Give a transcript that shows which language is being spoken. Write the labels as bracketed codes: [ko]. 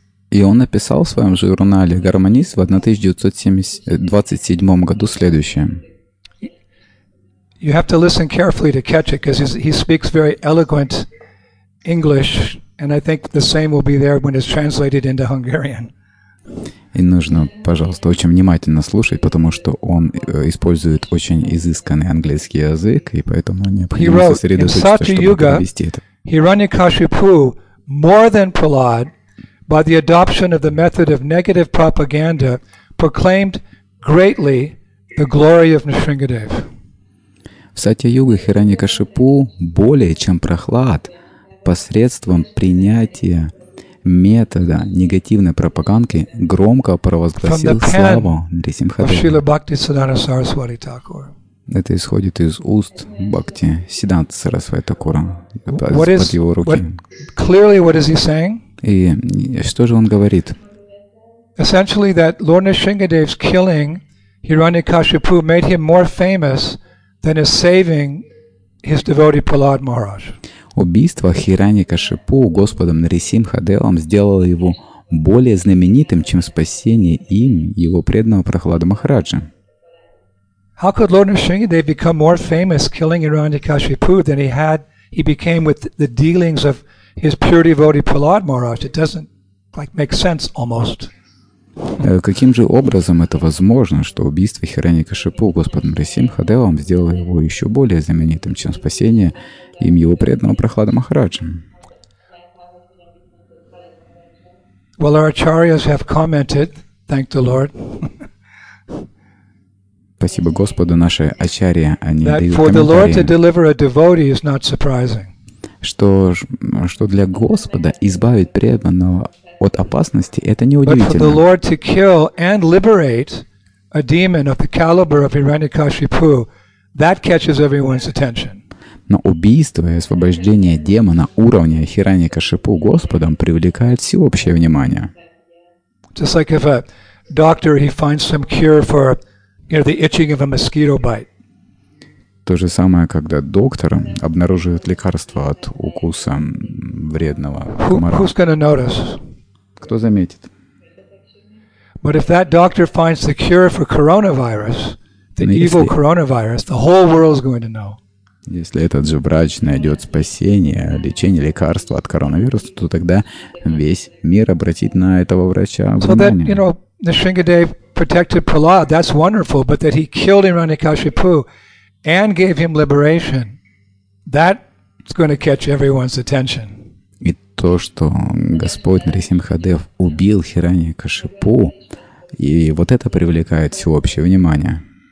[ru] И он написал в своем журнале «Гармонист» в 1927 году следующее. [en] You have to listen carefully to catch it because he speaks very eloquent English, and I think the same will be there when it's translated into Hungarian. [ru] И нужно, пожалуйста, очень внимательно слушать, потому что он использует очень изысканный английский язык, и поэтому необходимо сосредоточиться, чтобы перевести это. [en] Hiranyakashipu, more than Prahlad, by the adoption of the method of negative propaganda, proclaimed greatly the glory of Nrisimhadev. [ru] Сатья-юга Хираньякашипу более чем прохлад посредством принятия метода негативной пропаганды громко провозгласил славу Нрисимхадеви. Это исходит из уст Бхакти Сиддханта Сарасвати Такура. Под его руки. И что же он говорит? [en] Essentially, that Lord Nrisimhadev's killing Hiranyakashipu made him more famous than his saving his devotee Prahlad Maharaj. [ru] Убийство Хираньякашипу Господом Нрисимхадевом сделало его более знаменитым, чем спасение им его преданного Прахлада Махараджа. [en] How could Lord Nrisimhadev become more famous killing Hiranyakashipu than he became with the dealings of his pure devotee Prahlad Maharaj? It doesn't like make sense almost. [ru] Каким же образом это возможно, что убийство Хираньякашипу Господом Нрисимхадевом сделало его еще более знаменитым, чем спасение им его преданного Прахлада Махараджа? [en] Well, our acharyas have commented, thank the Lord. [ru] Спасибо Господу, наши ачарьи, они дают комментарии. [en] That for the Lord to deliver a devotee is not surprising. [ru] Что для Господа избавить преданного от опасности, это неудивительно. [en] But for the Lord to kill and liberate a demon of the caliber of Hiranyakashipu, that catches everyone's attention. [ru] Но убийство и освобождение демона уровня Хираньякашипу Господом привлекает всеобщее внимание. [en] Just like if a doctor he finds some cure for, you know, the itching of a mosquito bite. [ru] То же самое, когда доктор обнаруживает лекарство от укуса вредного комара. [en] Who's going to notice? [ru] Кто заметит? [en] But if that doctor finds the cure for coronavirus, the evil coronavirus, the whole world is going to know. [ru] Если этот же врач найдет спасение, лечение, лекарство от коронавируса, то тогда весь мир обратит на этого врача внимание. [en] So that, you know, Nrisimhadev protected Prahlad, that's wonderful, but that he killed Hiranyakashipu and gave him liberation, that's going to catch everyone's attention. [ru] То, что Господь Нрисимхадев убил Хираньякашипу, и вот это привлекает всеобщее внимание.